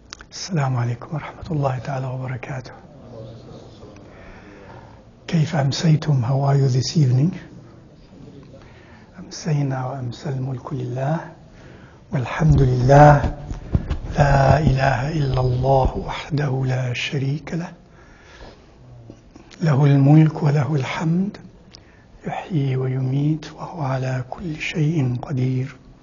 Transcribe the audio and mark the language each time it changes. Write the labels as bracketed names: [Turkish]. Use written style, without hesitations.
[Arabic] السلام عليكم ورحمة الله تعالى وبركاته. كيف أمسيتم؟ [English] How are you this evening? [Arabic] أمسينا وأمسى الملك لله والحمد لله لا إله إلا الله وحده لا شريك له له الملك وله الحمد يحيي ويميت وهو على كل شيء قدير.